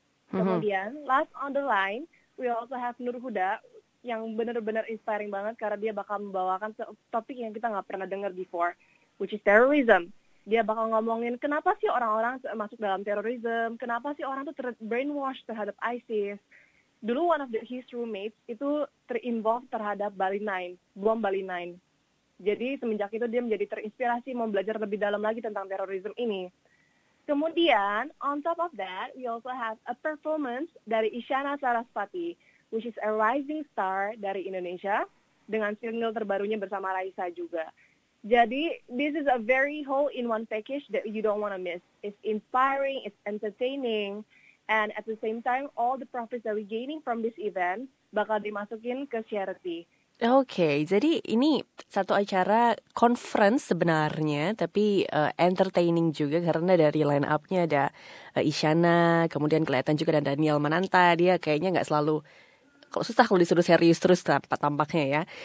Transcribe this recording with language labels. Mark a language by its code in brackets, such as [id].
[id] Kemudian, [en] last on the line, we also have [id] Nurhuda, yang benar-benar inspiring banget karena dia bakal membawakan topik yang kita nggak pernah dengar before, [en] which is terrorism. [id] Dia bakal ngomongin kenapa sih orang-orang masuk dalam terorisme, kenapa sih orang tuh brainwash terhadap ISIS. Dulu one of his roommates itu terinvolved terhadap Bali 9, bom Bali 9. Jadi semenjak itu dia menjadi terinspirasi mau belajar lebih dalam lagi tentang terorisme ini. [en] Kemudian, on top of that, we also have a performance dari Isyana Saraswati, which is a rising star dari Indonesia, [id] dengan single terbarunya bersama Raisa juga. [en] Jadi, this is a very whole-in-one package that you don't want to miss. It's inspiring, it's entertaining, and at the same time, all the profits that we're gaining from this event [id] bakal dimasukin ke charity. Okay, jadi ini satu acara conference sebenarnya, tapi entertaining juga karena dari line-up-nya ada Isyana, kemudian kelihatan juga ada Daniel Mananta, dia kayaknya nggak selalu... Susah kalau disuruh serius terus tampaknya ya.